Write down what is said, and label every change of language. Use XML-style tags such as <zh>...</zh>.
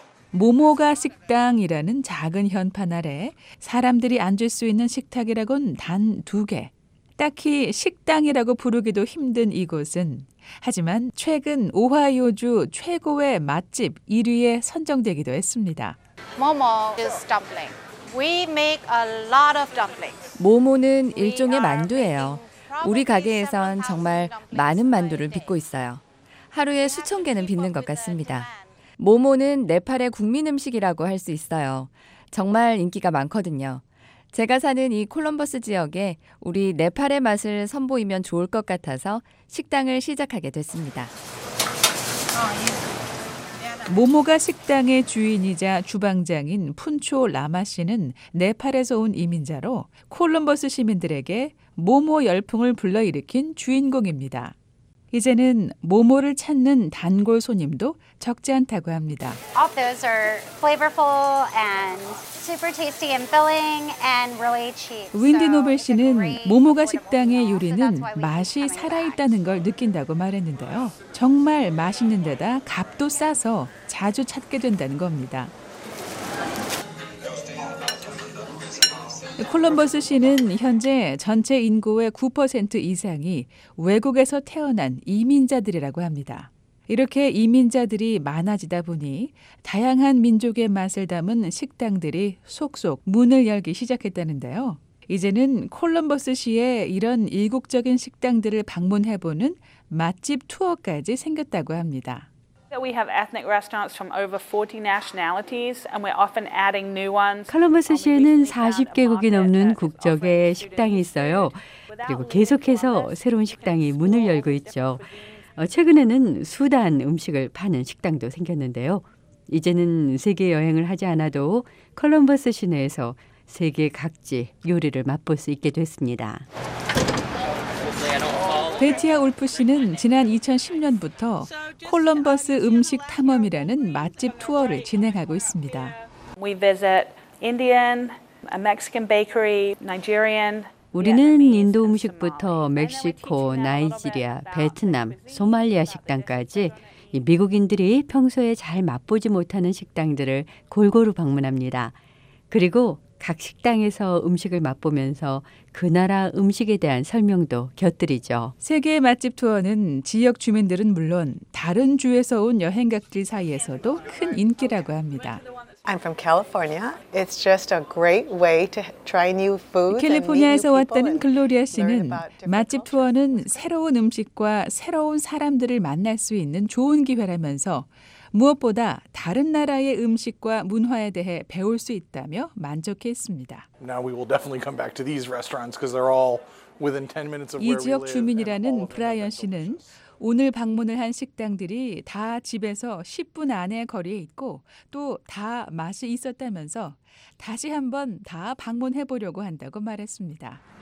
<ko>모모가 식당이라는 작은 현판 아래 사람들이 앉을 수 있는 식탁이라곤 단 두 개. 딱히 식당이라고 부르기도 힘든 이곳은 하지만 최근 오하이오주 최고의 맛집 1위에 선정되기도 했습니다.</ko> <en>Momo is dumpling. We make a lot of dumplings.</en> <ko>모모는 일종의 만두예요. 우리 가게에선 정말 많은 만두를 빚고 있어요. 하루에 수천 개는 빚는 것 같습니다. 모모는 네팔의 국민 음식이라고 할 수 있어요. 정말 인기가 많거든요. 제가 사는 이 콜럼버스 지역에 우리 네팔의 맛을 선보이면 좋을 것 같아서 식당을 시작하게 됐습니다. 모모가 식당의 주인이자 주방장인 푼초 라마 씨는 네팔에서 온 이민자로 콜럼버스 시민들에게 모모 열풍을 불러일으킨 주인공입니다. 이제는 모모를 찾는 단골 손님도 적지 않다고 합니다.</ko> <en>All those are flavorful and super tasty and filling and really cheap.</en> <ko>윈디 노벨 씨는 모모가 식당의 요리는 맛이 살아있다는 걸 느낀다고 말했는데요. 정말 맛있는 데다 값도 싸서 자주 찾게 된다는 겁니다. 콜럼버스 씨는 현재 전체 인구의 9% 이상이 외국에서 태어난 이민자들이라고 합니다. 이렇게 이민자들이 많아지다 보니 다양한 민족의 맛을 담은 식당들이 속속 문을 열기 시작했다는데요. 이제는 콜럼버스 씨의 이런 이국적인 식당들을 방문해보는 맛집 투어까지 생겼다고 합니다.</ko> <en>We have ethnic restaurants from over 40 nationalities, and we're often adding new ones.</en> <ko>콜럼버스 시에는 40개국이 넘는 국적의 식당이 있어요. 그리고 계속해서 새로운 식당이 문을 열고 있죠. 최근에는 수단 음식을 파는 식당도 생겼는데요. 이제는 세계 여행을 하지 않아도 콜럼버스 시내에서 세계 각지 요리를 맛볼 수 있게 됐습니다. 베티아 울프 씨는 지난 2010년부터 콜럼버스 음식 탐험이라는 맛집 투어를 진행하고 있습니다.</ko> <en>We visit Indian, a Mexican bakery, Nigerian.</en> <ko>우리는 인도 음식부터 멕시코, 나이지리아, 베트남, 소말리아 식당까지 미국인들이 평소에 잘 맛보지 못하는 식당들을 골고루 방문합니다. 그리고 각 식당에서 음식을 맛보면서 그 나라 음식에 대한 설명도 곁들이죠. 세계의 맛집 투어는 지역 주민들은 물론 다른 주에서 온 여행객들 사이에서도 큰 인기라고 합니다.</ko> <en>I'm from California. It's just a great way to try new food.</en> <ko>캘리포니아에서 왔다는 글로리아 씨는 맛집 투어는 새로운 음식과 새로운 사람들을 만날 수 있는 좋은 기회라면서 무엇보다 다른 나라의 음식과 문화에 대해 배울 수 있다며 만족했습니다.</ko> <en>Now we will definitely come back to these restaurants because they're all within 10 minutes of where we live.</en> <ko>이 지역 주민이라는 브라이언 씨는 오늘 방문을 한 식당들이 다 집에서 10분 안에 거리에 있고 또 다 맛이 있었다면서 다시 한번 다 방문해 보려고 한다고 말했습니다.</ko>